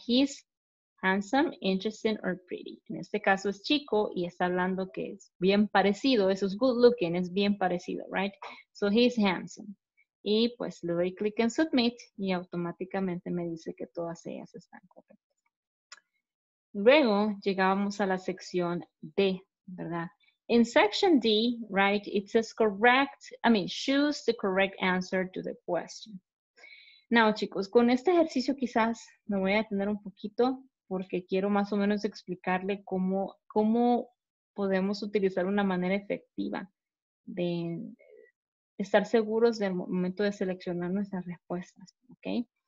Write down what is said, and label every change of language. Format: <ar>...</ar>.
<en>He's handsome, interesting, or pretty.</en> <es>En este caso es chico y está hablando que es bien parecido.</es> <en>Eso es good looking,</en> <es>es bien parecido,</es> <en>right? So he's handsome.</en> <es>Y pues le doy clic en submit y automáticamente me dice que todas ellas están correctas. Luego llegamos a la sección D, ¿verdad?</es> <en>In section D, right, it says choose the correct answer to the question.</en> <es>Now, chicos, con este ejercicio quizás me voy a detener un poquito porque quiero más o menos explicarle cómo podemos utilizar una manera efectiva de estar seguros del momento de seleccionar nuestras respuestas, ¿ok?</es>